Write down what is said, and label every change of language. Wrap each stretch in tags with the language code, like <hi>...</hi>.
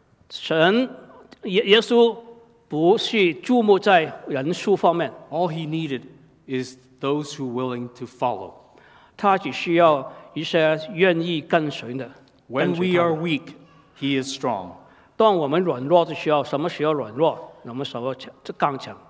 <zh>神, 耶稣不是注目在人数方面,</zh> <en>all he needed is those who are willing to follow.</en> <zh>他只需要一些愿意跟随的。</zh> <en>When we are weak, he is strong.</en> <zh>当我们软弱的时候，什么时候软弱，我们什么就刚强。</zh>